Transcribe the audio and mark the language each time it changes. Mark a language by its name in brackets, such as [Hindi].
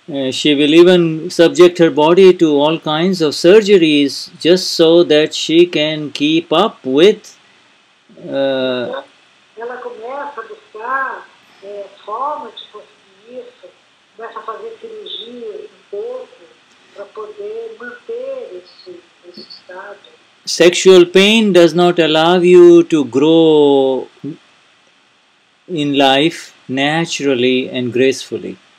[English] She will even subject her body to all kinds of surgeries just so that she can keep up with [Portuguese] ela começa a buscar formas de conseguir isso, começa a fazer cirurgia um pouco para poder manter esse estado. [English] Sexual pain does not allow you to grow in life naturally and gracefully.